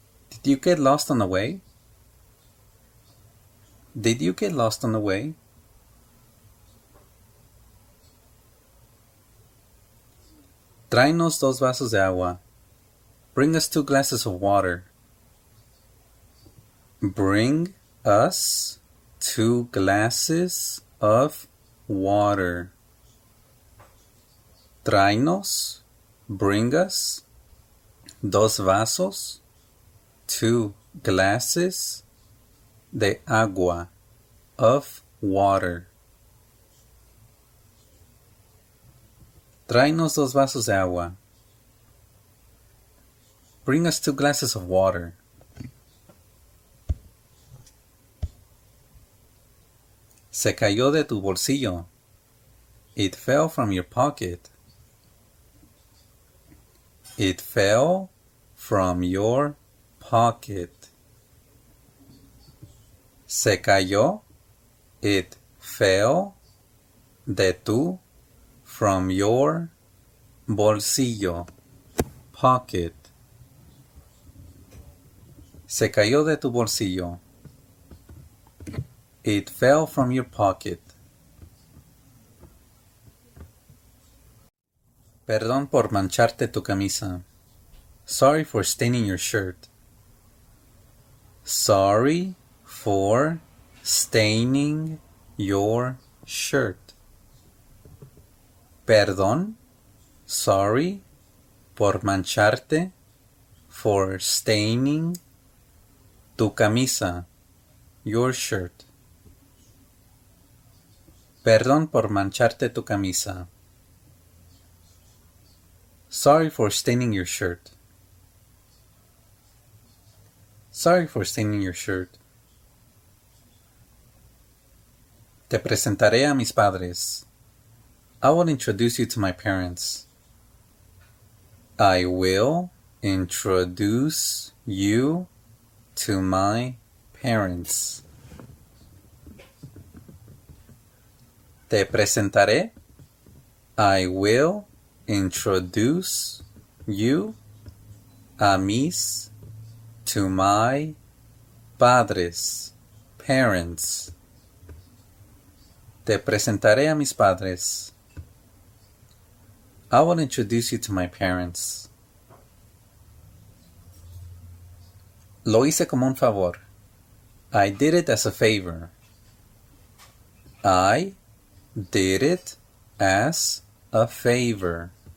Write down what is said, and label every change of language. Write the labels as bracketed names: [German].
[English] Did you get lost on the way? Did you get lost on the way? [Spanish] Tráenos dos vasos de agua. [English] Bring us 2 glasses of water. Bring us 2 glasses of water. [Spanish] Tráenos, [English] bring us, [Spanish] dos vasos, [English] 2 glasses [Spanish] de agua, [English] of water. [Spanish] Tráenos dos vasos de agua. [English] Bring us 2 glasses of water. [Spanish] Se cayó de tu bolsillo. [English] It fell from your pocket. It fell from your pocket. [Spanish] Se cayó. [English] It fell [Spanish] de tu, [English] from your [Spanish] bolsillo, [English] pocket. [Spanish] Se cayó de tu bolsillo. [English] It fell from your pocket. [Spanish] Perdón por mancharte tu camisa. [English] Sorry for staining your shirt. Sorry for staining your shirt. [Spanish] Perdón. [English] Sorry [Spanish] por mancharte. [English] For staining [Spanish] tu camisa. [English] Your shirt. [Spanish] Perdón por mancharte tu camisa. [English] Sorry for staining your shirt. Sorry for staining your shirt. [Spanish] Te presentaré a mis padres. [English] I will introduce you to my parents. I will introduce you to my parents. [Spanish] Te presentaré. [English] I will introduce you [Spanish] a mis [English] to my [Spanish] padres, [English] parents. [Spanish] Te presentaré a mis padres. [English] I will introduce you to my parents. [Spanish] Lo hice como un favor. [English] I did it as a favor. I did it as a favor.